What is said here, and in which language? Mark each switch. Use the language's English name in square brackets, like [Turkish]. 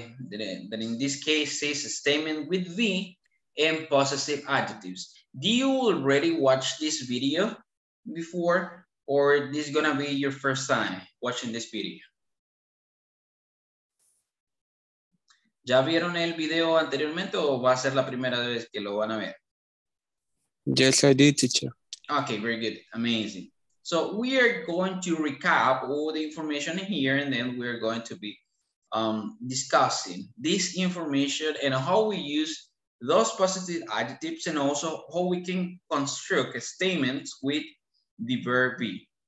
[English] That in this case is a statement with V and possessive adjectives. Do you already watch this video before, or this is gonna be your first time watching this video? [Spanish] ¿Ya vieron el video anteriormente o va a ser la primera vez que lo van a ver? [English] Yes, I did, teacher. Okay, very good, amazing. So we are going to recap all the information here, and then we are going to be discussing this information and how we use those positive adjectives, and also how we can construct statements with the verb be.